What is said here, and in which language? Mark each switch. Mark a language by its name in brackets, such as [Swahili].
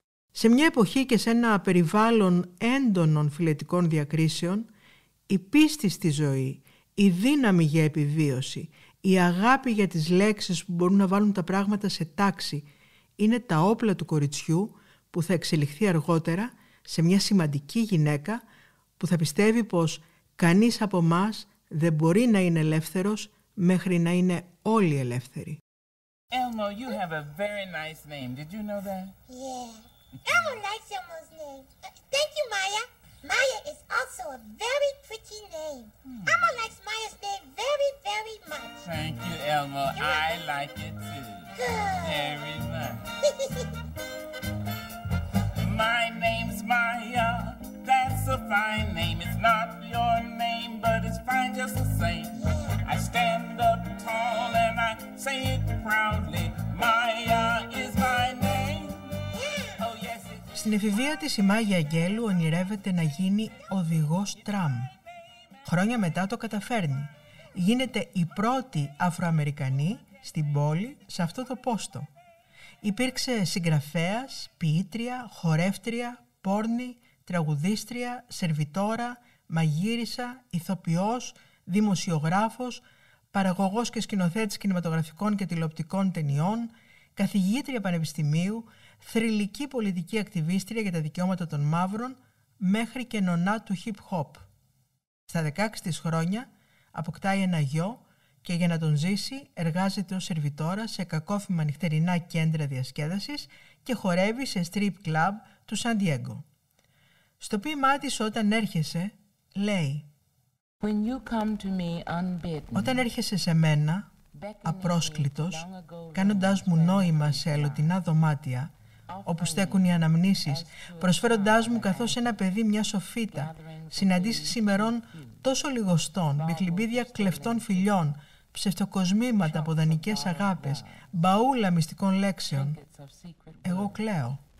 [Greek] Σε μια εποχή και σε ένα περιβάλλον έντονων φυλετικών διακρίσεων, η πίστη στη ζωή, η δύναμη για επιβίωση, η αγάπη για τις λέξεις που μπορούν να βάλουν τα πράγματα σε τάξη είναι τα όπλα του κοριτσιού που θα εξελιχθεί αργότερα σε μια σημαντική γυναίκα που θα πιστεύει πως κανείς από μας δεν μπορεί να είναι ελεύθερος μέχρι να είναι όλοι ελεύθεροι. [English] Elmo, you have a very nice name. Did you know that? Yeah. Elmo likes Elmo's name. Thank you, Maya. Maya is also a very pretty name. Elmo likes Maya's name very, very much. Thank you, Elmo. I like it too. Good. Very much. My name's Maya. That's a fine name. It's not your name, but it's fine just the same. I stand up tall and I say it proudly. Maya is my name. Oh, yes, it's... [Greek] Στην εφηβεία της η Μάγια Αγγέλου ονειρεύεται να γίνει οδηγός τραμ. Χρόνια μετά το καταφέρνει. Γίνεται η πρώτη Αφροαμερικανή στην πόλη σε αυτό το πόστο. Υπήρξε συγγραφέας, ποιήτρια, χορεύτρια, πόρνη, τραγουδίστρια, σερβιτόρα, μαγείρισα, ηθοποιός, δημοσιογράφος, παραγωγός και σκηνοθέτης κινηματογραφικών και τηλεοπτικών ταινιών, καθηγήτρια πανεπιστημίου, θρηλυκή πολιτική ακτιβίστρια για τα δικαιώματα των μαύρων, μέχρι και νονά του hip-hop. Στα 16 της χρόνια αποκτάει ένα γιο και για να τον ζήσει εργάζεται ως σερβιτόρα σε κακόφημα νυχτερινά κέντρα διασκέδασης και χορεύει σε strip club του Σαν Diego. Στο ποίημά της όταν έρχεσαι, λέει [English] When you come to me unbidden, [Greek] «Όταν έρχεσαι σε μένα, απρόσκλητος, κάνοντάς μου νόημα σε ελωτινά δωμάτια, όπου στέκουν οι αναμνήσεις, προσφέροντάς μου καθώς ένα παιδί μια σοφίτα, συναντήσεις ημερών τόσο λιγοστών, μπικλιμπίδια κλεφτών φιλιών, ψευτοκοσμήματα από δανεικές αγάπες, μπαούλα μυστικών λέξεων, εγώ κλαίω».